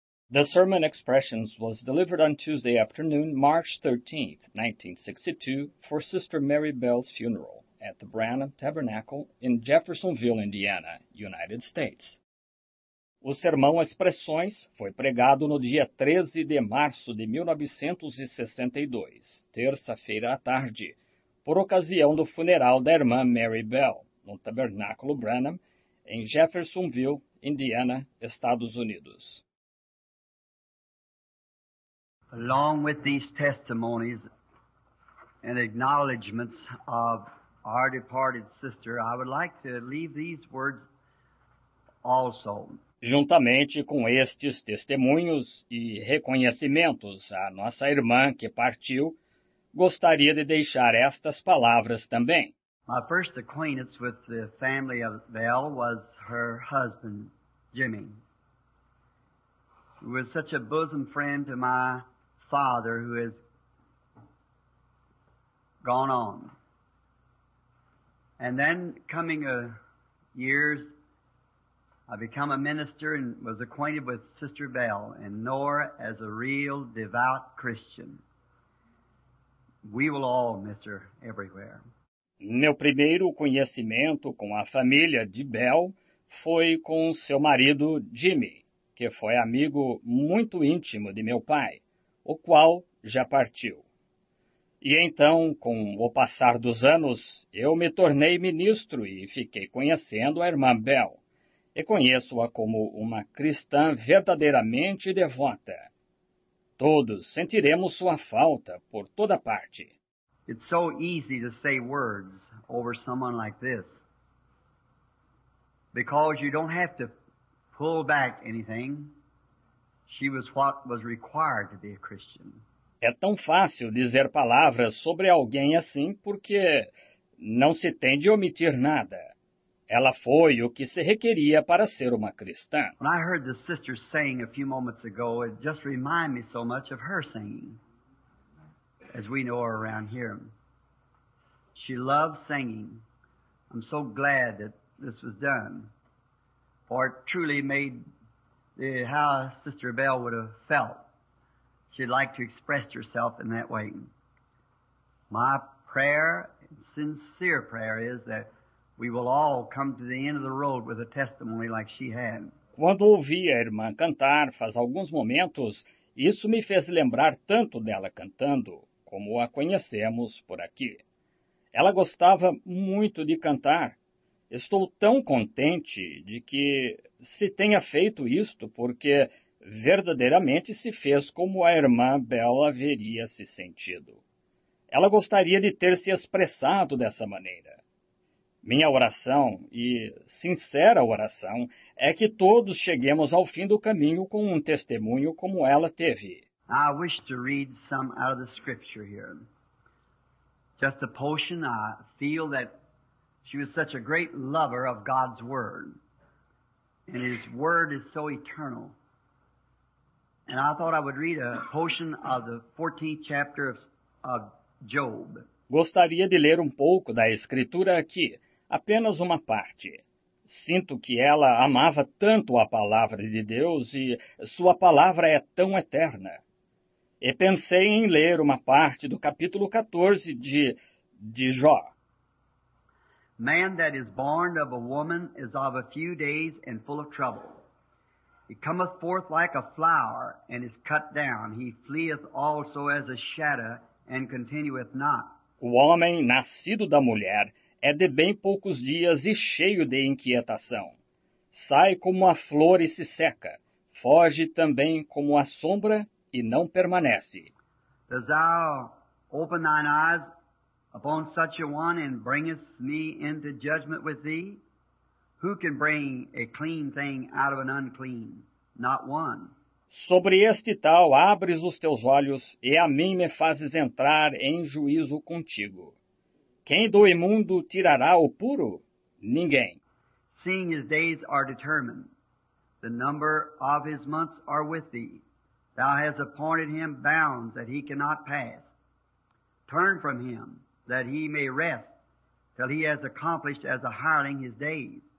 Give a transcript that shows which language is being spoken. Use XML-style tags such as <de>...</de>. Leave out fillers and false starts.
<en>The Sermon Expressions was delivered on Tuesday afternoon, March 13, 1962, for Sister Mary Bell's funeral at the Branham Tabernacle in Jeffersonville, Indiana, United States.</en> <pt>O Sermão Expressões foi pregado no dia 13 de março de 1962, terça-feira à tarde, por ocasião do funeral da irmã Mary Bell, no Tabernáculo Branham, em Jeffersonville, Indiana, Estados Unidos.</pt> <en>Along with these testimonies and acknowledgments of our departed sister, I would like to leave these words also.</en> <pt>Juntamente com estes testemunhos e reconhecimentos à nossa irmã que partiu, gostaria de deixar estas palavras também.</pt> <en>My first acquaintance with the family of Bell was her husband, Jimmy, who was such a bosom friend to my father, who has gone on. And then coming years, I become a minister and was acquainted with Sister Bell and know her as a real devout Christian. We will all miss her everywhere.</en> <pt>Meu primeiro conhecimento com a família de Bell foi com seu marido Jimmy, que foi amigo muito íntimo de meu pai, o qual já partiu. E então, com o passar dos anos, eu me tornei ministro e fiquei conhecendo a irmã Bell, e conheço-a como uma cristã verdadeiramente devota. Todos sentiremos sua falta por toda parte.</pt> <en>It's so easy to say words over someone like this, because you don't have to pull back anything. She was what was required to be a Christian.</en> <pt>É tão fácil dizer palavras sobre alguém assim porque não se tem de omitir nada. Ela foi o que se requeria para ser uma cristã.</pt> <en>When I heard the sister saying a few moments ago, it just reminded me so much of her singing, as we know her around here. She loved singing. I'm so glad that this was done, for it truly made how Sister Bell would have felt. She'd like to express herself in that way. My prayer, sincere prayer, is that we will all come to the end of the road with a testimony like she had.</en> <pt>Quando ouvi a irmã cantar faz alguns momentos, isso me fez lembrar tanto dela cantando, como a conhecemos por aqui. Ela gostava muito de cantar. Estou tão contente de que se tenha feito isto, porque verdadeiramente se fez como a irmã Bell haveria se sentido. Ela gostaria de ter se expressado dessa maneira. Minha oração, e sincera oração, é que todos cheguemos ao fim do caminho com um testemunho como ela teve.</pt> <en>I wish to read some out of the scripture here. Just a portion. I feel that she was such a great lover of God's Word, and His Word is so eternal. And I thought I would read a portion of the 14th chapter of Job.</en> <pt>Gostaria de ler um pouco da Escritura aqui, apenas uma parte. Sinto que ela amava tanto a Palavra de Deus e sua Palavra é tão eterna. E pensei em ler uma parte do capítulo 14 de Jó.</pt> <en>Man that is born of a woman is of a few days and full of trouble. He cometh forth like a flower and is cut down. He fleeth also as a shadow and continueth not.</en> <pt>O homem nascido da mulher é de bem poucos dias e cheio de inquietação. Sai como a flor e se seca. Foge também como a sombra e não permanece.</pt> <en>Dost thou open thine eyes upon such a one, and bringest me into judgment with thee? Who can bring a clean thing out of an unclean? Not one.</en> <pt>Sobre este tal abres os teus olhos, e a mim me fazes entrar em juízo contigo. Quem do imundo tirará o puro? Ninguém.</pt> <en>Seeing his days are determined, the number of his months are with thee. Thou hast appointed him bounds that he cannot pass. Turn from him, that he may rest, till he has accomplished as a hireling his days.</en>